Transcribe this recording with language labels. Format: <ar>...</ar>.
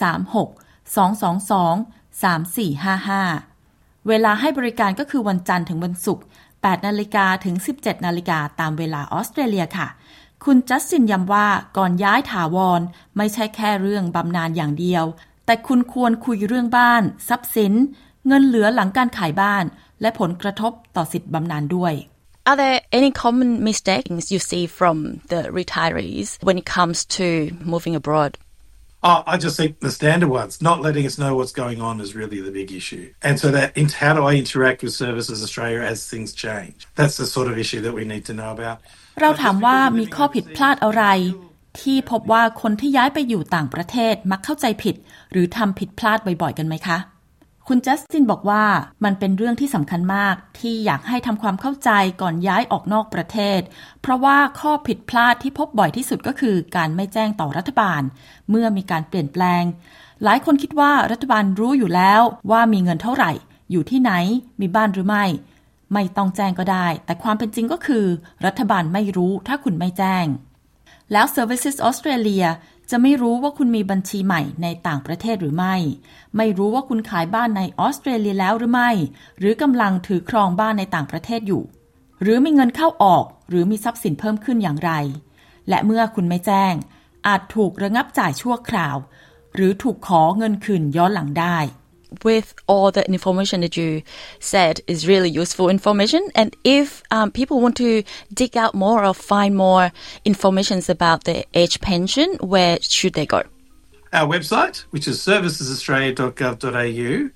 <th>6136223455เวลาให้บริการก็คือวันจันทร์ถึงวันศุกร์8นาฬิกาถึง17นาฬิกาตามเวลาออสเตรเลียค่ะคุณจัสตินย้ำว่าก่อนย้ายถาวรไม่ใช่แค่เรื่องบำนาญอย่างเดียวแต่คุณควรคุยเรื่องบ้านทรัพย์สินเงินเหลือหลังการขายบ้านและผลกระทบต่อสิทธิ์บำนาญด้วย</th> <en>Are there any common mistakes you see from the retirees when it comes to moving abroad? Oh, I just think the standard ones, not letting us know what's going on is really the big issue. And so that, how do I interact with Services Australia as things change? That's the sort of issue that we need to know about.</en> <th>เราถามว่ามีข้อผิดพลาดอะไรที่พบว่าคนที่ย้ายไปอยู่ต่างประเทศมักเข้าใจผิดหรือทำผิดพลาดบ่อยๆกันไหมคะคุณจัสตินบอกว่ามันเป็นเรื่องที่สำคัญมากที่อยากให้ทำความเข้าใจก่อนย้ายออกนอกประเทศเพราะว่าข้อผิดพลาดที่พบบ่อยที่สุดก็คือการไม่แจ้งต่อรัฐบาลเมื่อมีการเปลี่ยนแปลงหลายคนคิดว่ารัฐบาลรู้อยู่แล้วว่ามีเงินเท่าไหร่อยู่ที่ไหนมีบ้านหรือไม่ ไม่ต้องแจ้งก็ได้แต่ความเป็นจริงก็คือรัฐบาลไม่รู้ถ้าคุณไม่แจ้งแล้ว Services Australia จะไม่รู้ว่าคุณมีบัญชีใหม่ในต่างประเทศหรือไม่ไม่รู้ว่าคุณขายบ้านในออสเตรเลียแล้วหรือไม่หรือกำลังถือครองบ้านในต่างประเทศอยู่หรือมีเงินเข้าออกหรือมีทรัพย์สินเพิ่มขึ้นอย่างไรและเมื่อคุณไม่แจ้งอาจถูกระงับจ่ายชั่วคราวหรือถูกขอเงินคืนย้อนหลังได้</th> <en>With all the information that you said is really useful information, and if people want to dig out more or find more information about the age pension, where should they go? Our website, which is servicesaustralia.gov.au.</en>